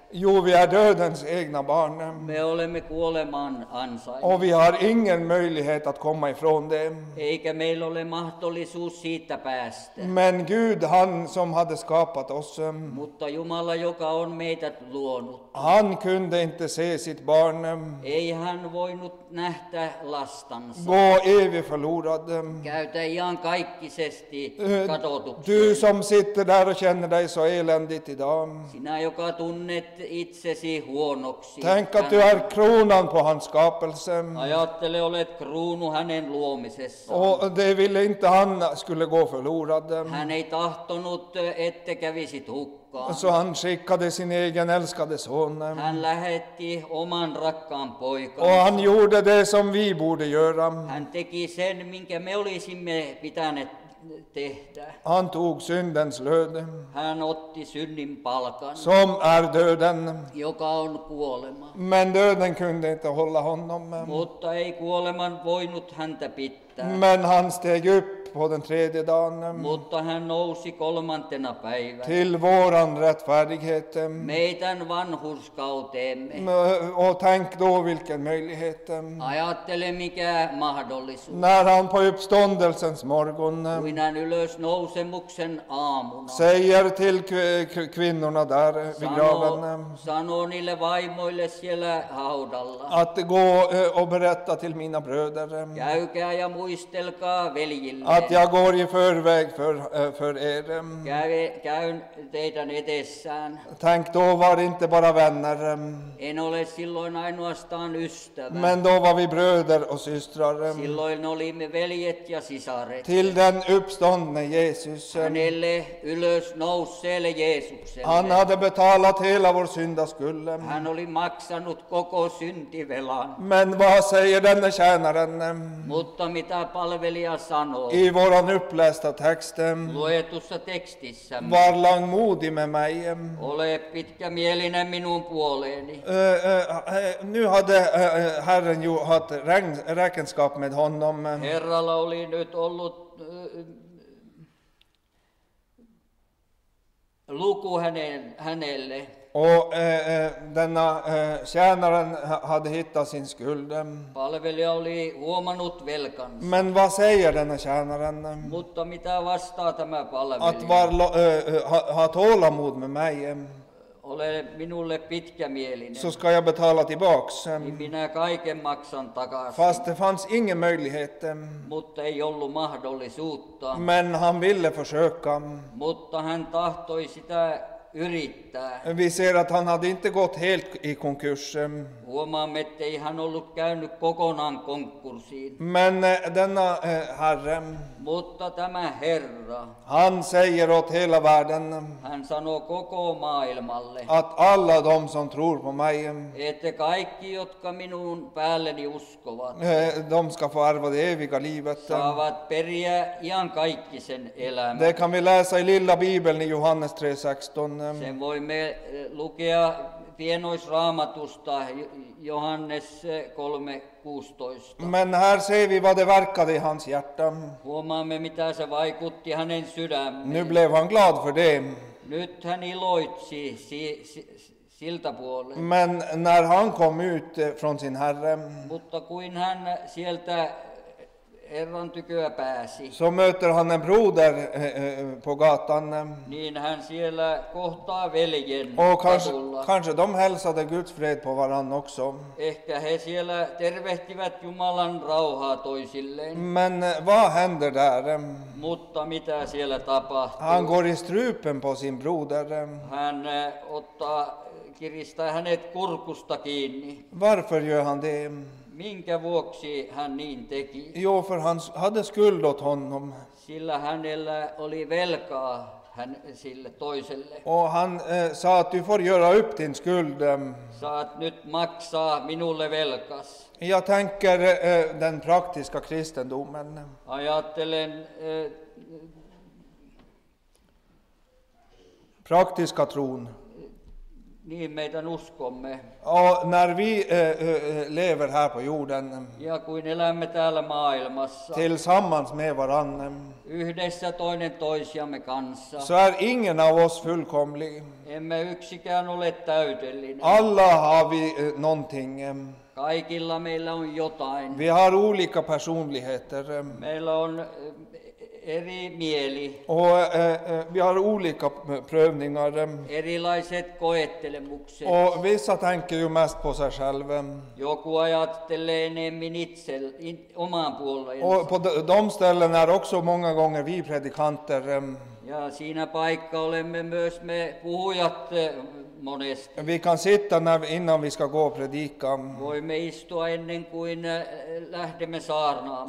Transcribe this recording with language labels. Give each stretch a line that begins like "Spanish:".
Swedish: Jo, vi är dödens egna barn.
Finnish: Me olemme kuoleman ansaita.
Swedish: Och vi har ingen möjlighet att komma ifrån det.
Finnish: Eikä meillä ole mahdollisuus siitä päästä.
Swedish: Men Gud, han som hade skapat oss.
Finnish: Mutta Jumala, joka on meitä luonut.
Swedish: Han kunde inte se sitt barn.
Finnish: Ei hän voinut nähdä lastansa.
Swedish: Gå evig förlorad.
Finnish: Käytä iankaikkisesti katotuksen.
Swedish: Du som sitter där och känner dig så eländigt idag.
Finnish: Sinä, joka tunnet itsesi huonoksi.
Swedish: Tänk att du är kronan på hans skapelse.
Finnish: Ajattele, olet kruunu hänen luomisessa.
Swedish: Och det ville inte han skulle gå förlorad.
Finnish: Hän ei tahtonut, ette kävisit hukkaan.
Swedish: Så han skickade sin egen älskade son.
Finnish: Han lähetti oman rakkaan poikansa.
Swedish: Och han gjorde det som vi borde göra.
Finnish: Han teki sen, minkä me olisimme pitäneet tehdä.
Swedish: Han tog syndens lön.
Finnish: Han otti synnin palkan.
Swedish: Som är döden.
Finnish: Joka on kuolema.
Swedish: Men döden kunde inte hålla honom.
Finnish: Mutta ei kuoleman voinut häntä pitää.
Swedish: Men han steg upp på den tredje dagen.
Finnish: Mutta hän nousi kolmantena päivänä.
Swedish: Till våran rättfärdighet.
Finnish: Meidän vanhurskauteemme.
Swedish: Och tänk då vilken möjlighet.
Finnish: Ajattele, mikä mahdollisuus.
Swedish: När han på uppståndelsens morgon.
Finnish: Kun hän ylös nousemuksen aamuna.
Swedish: Säger till kvinnorna där vid graven.
Finnish: Sanoo niille vaimoille siellä haudalla.
Swedish: Att gå och berätta till mina bröder.
Finnish: Käykää ja muistelkaa veljille.
Swedish: Att jag går i förväg för er.
Finnish: Käyn teidän edessään.
Swedish: Tänk, då var inte bara vänner.
Finnish: En ole silloin ainoastaan ystävä.
Swedish: Men då var vi bröder och systrar.
Finnish: Silloin olimme veljet ja sisaret.
Swedish: Till den uppståndne Jesus.
Finnish: Hänelle ylös nousseelle Jeesukselle.
Swedish: Han hade betalat hela vår syndaskuld.
Finnish: Hän oli maksanut koko syntivelan.
Swedish: Men vad säger denne tjänaren?
Finnish: Mutta mitä palvelija sanoo?
Swedish: I våran upplästa texten.
Finnish: Luetussa tekstissä.
Swedish: Var langmodig med mig.
Finnish: Ole pitkämielinen minun puoleeni.
Swedish: Nu hade Herren ju haft räkenskap med honom.
Finnish: Herralla oli nyt ollut luku hänelle.
Swedish: Och denna tjänaren hade hittat sin skuld.
Finnish: Palvelija oli huomannut velkansa.
Swedish: Men vad säger denna tjänaren?
Finnish: Mutta mitä vastaa tämä palvelija?
Swedish: Att ha tålamod med mig.
Finnish: Ole minulle pitkämielinen.
Swedish: Så ska jag betala tillbaks.
Finnish: Minä kaiken maksan takaisin.
Swedish: Fast det fanns ingen möjlighet.
Finnish: Mutta ei ollut mahdollisuutta.
Swedish: Men han ville försöka.
Finnish: Mutta hän tahtoi sitä yrittää.
Swedish: Vi ser att han hade inte gått helt i konkurs.
Finnish: Huomaamme, että ei hän ollut käynyt kokonaan konkurssiin.
Swedish: Men denna herre.
Finnish: Mutta tämä herra.
Swedish: Han säger åt hela världen.
Finnish: Hän sanoo koko maailmalle.
Swedish: Att alla de som tror på mig.
Finnish: Että kaikki, jotka minun päälleni uskovat.
Swedish: De ska få arva det eviga livet.
Finnish: Saavat periä iankaikkisen elämän.
Swedish: Det kan vi läsa i lilla bibeln i Johannes 3:16.
Finnish: Sen voimme lukea pienoisraamatusta Johannes 3:16.
Swedish: Men här ser vi vad det verkade i hans hjärta.
Finnish: Huomaamme, mitä se vaikutti hänen sydämeen.
Swedish: Nu blev han glad för det.
Finnish: Nyt hän iloitsi siltä puolelta.
Swedish: Men när han kom ut från sin herre.
Finnish: Mutta kuin hän sieltä Herran tyköä pääsi.
Swedish: Så möter han en broder på gatan.
Finnish: Niin han siellä kohtaa veljen.
Swedish: Och kanske de hälsade Guds fred på varann också.
Finnish: Ehkä he siellä tervehtivät Jumalan rauhaa toisilleen.
Swedish: Men vad händer där?
Finnish: Mutta mitä siellä tapahtuu?
Swedish: Han går i strupen på sin broder.
Finnish: Hän ottaa, kiristää hänet kurkusta kiinni.
Swedish: Varför gör han det?
Finnish: Minkä vuoksi hän niin teki?
Swedish: Jo, för han hade skuld åt honom.
Finnish: Sillä hänellä oli velkaa hän sille toiselle.
Swedish: Och han sa att du får göra upp din skuld.
Finnish: Saat nyt maksaa minulle velkas.
Swedish: Jag tänker den praktiska kristendomen.
Finnish: Ajattelen
Swedish: praktiska tron.
Finnish: Niin meidän uskomme.
Swedish: Och när vi lever här på jorden.
Finnish: Ja kun elämme täällä maailmassa.
Swedish: Tillsammans med varann.
Finnish: Yhdessä toinen toisiamme kanssa.
Swedish: Så är ingen av oss fullkomlig.
Finnish: Emme yksikään ole täydellinen.
Swedish: Alla har vi någonting.
Finnish: Kaikilla meillä on jotain.
Swedish: Vi har olika personligheter.
Finnish: Meillä on eri mieli.
Swedish: Och vi har olika prövningar.
Finnish: Erilaiset koettelemukset.
Swedish: Och vissa tänker ju mest på sig själv.
Finnish: Joku ajattelee enemmän itse omaan puolueensa.
Swedish: Och på de ställen är också många gånger vi predikanter.
Finnish: Ja siinä paikka olemme myös me puhujat monesti.
Swedish: Vi kan sitta när, innan vi ska gå och predika.
Finnish: Voimme istua ennen kuin lähdemme saarnaamaan.